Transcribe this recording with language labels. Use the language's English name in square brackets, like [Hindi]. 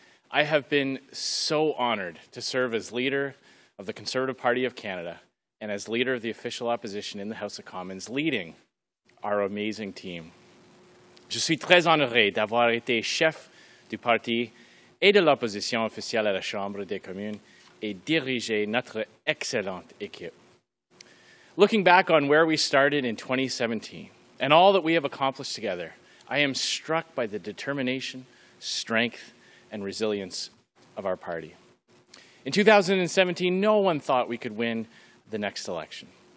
[English] I have been so honored to serve as leader of the Conservative Party of Canada and as leader of the official opposition in the House of Commons, leading our amazing team. [French] Je suis très honoré d'avoir été chef du parti et de l'opposition officielle à la Chambre des communes et diriger notre excellente équipe. [English] Looking back on where we started in 2017 and all that we have accomplished together, I am struck by the determination, strength, and resilience of our party. In 2017, no one thought we could win the next election.